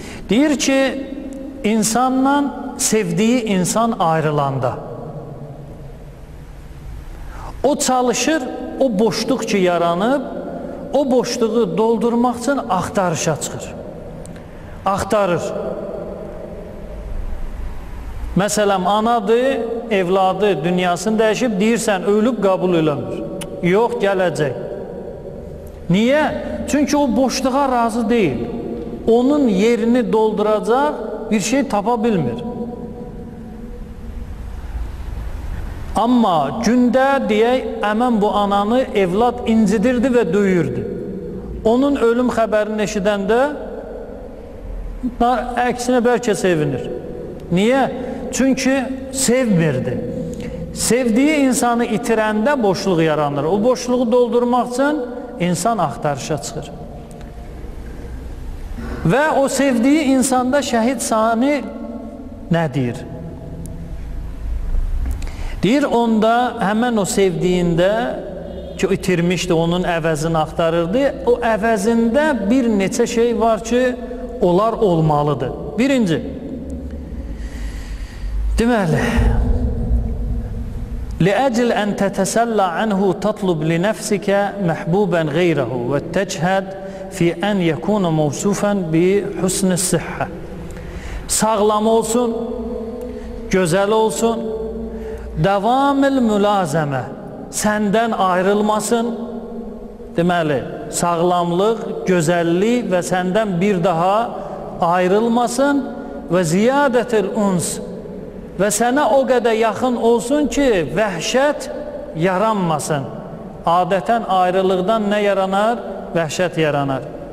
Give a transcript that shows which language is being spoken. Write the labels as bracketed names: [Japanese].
[Azerbaijani] Deyir ki, insanla sevdiyi insan ayrılanda, o çalışır, o boşluq ki yaranıb, o boşluğu doldurmaq üçün axtarışa çıxır. Axtarır. Məsələn, anadır, evladı, dünyasını dəyişib, deyirsən, ölüb qəbul eləmir. Yox, gələcək. Niyə? Çünki o boşluğa razı deyil. Onun yerini dolduracaq bir şey tapa bilmir. Amma gündə deyək, əmən bu ananı evlad incidirdi və döyürdü. Onun ölüm xəbərini eşidəndə əksinə bəlkə sevinir. Niyə? Çünki sevmirdi. Sevdiyi insanı itirəndə boşluq yaranır. O boşluğu doldurmaq üçün insan axtarışa çıxır. Və o sevdiyi insanda şəhid sani nə deyir? Deyir, onda həmən o sevdiyində ki, itirmişdi, onun əvəzini axtarırdı. O əvəzində bir neçə şey var ki, onlar olmalıdır. Birinci, deməli, [Arabic] لِأَجِلْ أَنْ تَتَسَلَّ عَنْهُ تَطْلُبْ لِنَفْسِكَ مَحْبُوبًا غَيْرَهُ وَتَّجْهَدْ فِي أَنْ يَكُونَ مَوْسُوفًا بِحُسْنِ السِّحَّةِ [Azerbaijani] Sağlam olsun, gözəl olsun, davam el-mülazəmə, səndən ayrılmasın. Deməli, sağlamlıq, gözəllik və səndən bir daha ayrılmasın və ziyadət el-uns və sənə o qədər yaxın olsun ki, vəhşət yaranmasın. Adətən ayrılıqdan nə yaranar? Vəhşət yaranar.